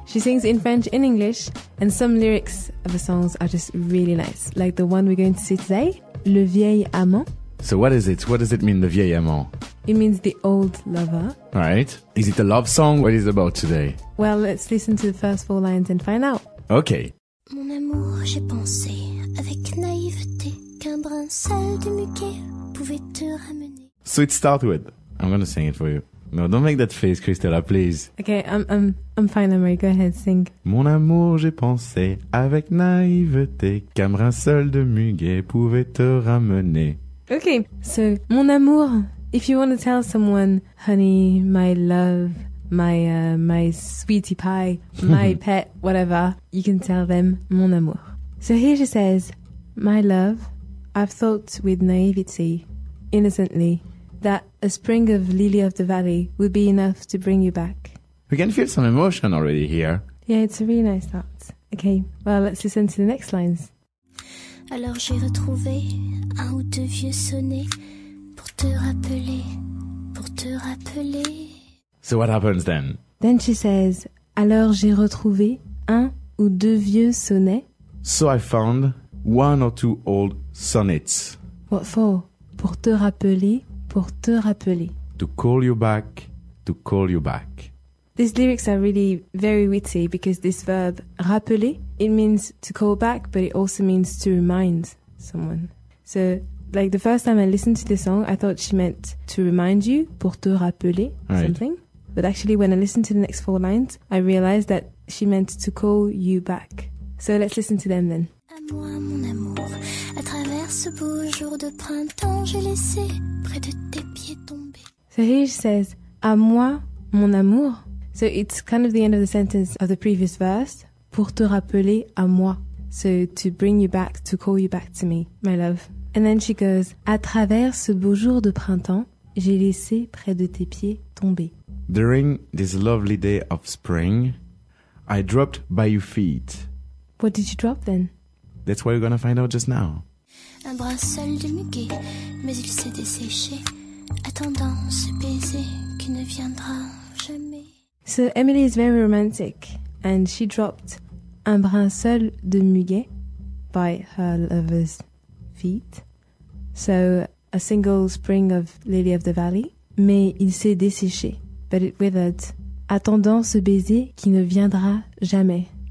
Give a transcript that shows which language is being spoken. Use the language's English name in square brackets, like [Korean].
[English] She sings in French and English, and some lyrics of the songs are just really nice. Like the one we're going to see today, Le Vieil Amant. So what is it? What does it mean, Le Vieil Amant? It means the old lover. Right. Is it a love song? What is it about today? Well, let's listen to the first four lines and find out. Okay. [French] Mon amour, j'ai pensé avec naïveté qu'un brin sel du muquet pouvait te ramener. [English] So it starts with, I'm going to sing it for you. No, don't make that face, Christella, please. Okay, I'm fine, Amaury. Go ahead, sing. [French] Mon amour, j'ai pensé avec naïveté qu'un brin sel de muguet pouvait te ramener. [English] Okay, so, [French] mon amour, [English] if you want to tell someone, honey, my love, my sweetie pie, my pet, whatever, you can tell them mon amour. So here she says, my love, I've thought with naivety, innocently, that a spring of lily of the valley would be enough to bring you back. We can feel some emotion already here. Yeah, it's a really nice thought. Okay, well, let's listen to the next lines. [French] Alors j'ai retrouvé un ou deux vieux sonnets pour te rappeler, pour te rappeler. [English] So what happens then? Then she says, [French] alors j'ai retrouvé un ou deux vieux sonnets. [English] So I found one or two old sonnets. What for? [French] Pour te rappeler, pour te rappeler. [English] To call you back, to call you back. These lyrics are really very witty because this verb, rappeler, it means to call back, but it also means to remind someone. So, like, the first time I listened to this song, I thought she meant to remind you, [French] pour te rappeler, [English] right, something. But actually, when I listened to the next four lines, I realized that she meant to call you back. So let's listen to them then. [French] À moi, mon amour, à travers ce beau jour de printemps, j'ai laissé près de tes pieds tomber. [English] So here she says, [French] à moi, mon amour. [English] So it's kind of the end of the sentence of the previous verse. [French] Pour te rappeler à moi. [English] So to bring you back, to call you back to me, my love. And then she goes, [French] à travers ce beau jour de printemps, j'ai laissé près de tes pieds tomber. [English] During this lovely day of spring, I dropped by your feet. What did you drop then? That's what we're gonna find out just now. [French] Un brin seul de muguet, mais il s'est desséché, attendant ce baiser qui ne viendra jamais. [English] So Emily is very romantic, and she dropped [French] un brin seul de muguet [English] by her lover's feet. So a single spring of lily of the valley, [French] mais il s'est desséché, [English] but it withered, [French] attendant ce baiser qui ne viendra jamais.